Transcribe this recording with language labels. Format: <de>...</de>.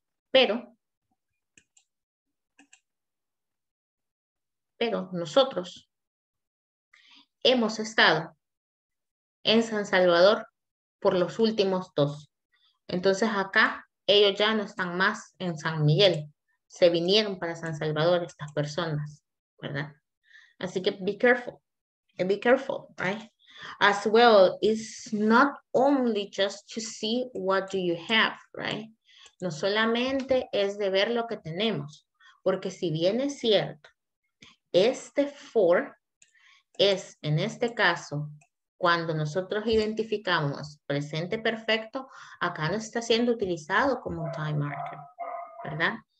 <es>Pero nosotros hemos estado en San Salvador por los últimos 2. Entonces acá ellos ya no están más en San Miguel. Se vinieron para San Salvador estas personas, ¿verdad? Así que</es> <en>be careful. Be careful, right? As well, it's not only just to see what do you have, right?</en> <es>No solamente es de ver lo que tenemos. Porque si bien es cierto, este for es, en este caso, cuando nosotros identificamos presente perfecto, acá no está siendo utilizado como un time marker, ¿verdad?</es>